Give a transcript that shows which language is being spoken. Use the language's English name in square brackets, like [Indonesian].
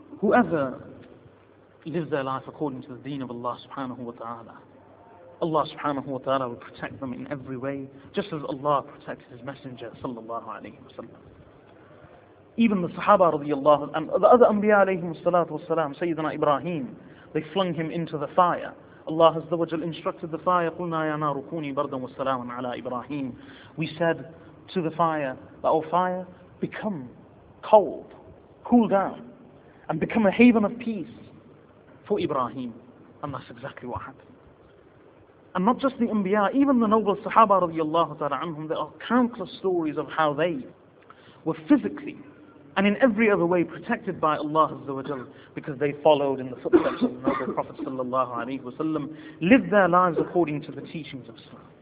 [English] Whoever lives their life according to the deen of Allah subhanahu wa ta'ala, Allah subhanahu wa ta'ala will protect them in every way, just as Allah protects His Messenger sallallahu alayhi wa sallam. Even the Sahaba radiallahu and the other Anbiya alayhim salatu wa salam, Sayyidina Ibrahim, they flung him into the fire. Allah Azza wa Jal instructed the fire, [Arabic] قُلْنَا يَا نَارُ كُونِي بَرْدًا وَالسَّلَامًا عَلَىٰ إِبْرَاهِيمِ. [English] We said to the fire, that, O fire, become cold, cool down, and become a haven of peace for Ibrahim. And that's exactly what happened. And not just the Anbiya, even the noble Sahaba radiallahu ta'ala anhum, there are countless stories of how they were physically and in every other way protected by Allah Azza wa Jal, because they followed in the footsteps of the noble Prophet sallallahu alayhi wa sallam, lived their lives according to the teachings of Islam.